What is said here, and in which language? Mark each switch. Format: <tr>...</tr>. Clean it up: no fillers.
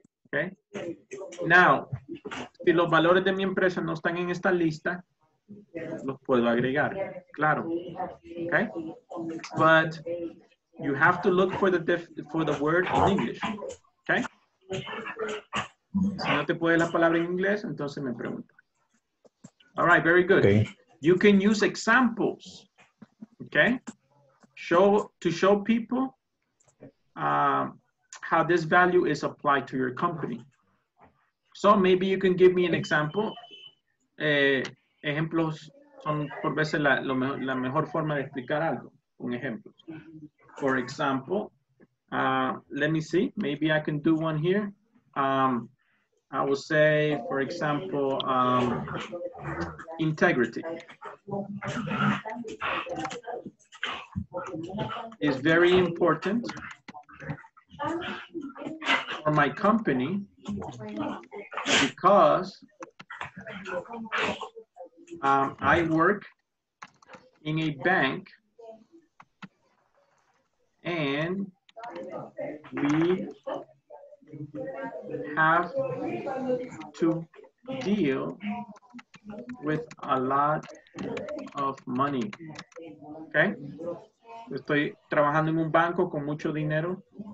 <en>Okay, now,</en> <es>si los valores de mi empresa no están en esta lista, los puedo agregar. Claro.</es> <en>Okay, but you have to look for the word in English. Okay.</en> <es>Si no te puede la palabra en inglés, entonces me pregunta.</es> <en>All right, very good. Okay. You can use examples, okay? To show people how this value is applied to your company. So maybe you can give me an example.</en> <es>Ejemplos son por veces la mejor forma de explicar algo, un ejemplo.</es> <en>For example, let me see. Maybe I can do one here. I will say, for example, integrity is very important for my company because I work in a bank and we have to deal with a lot of money. Okay?</en> <es>Estoy trabajando en un banco con mucho dinero.</es>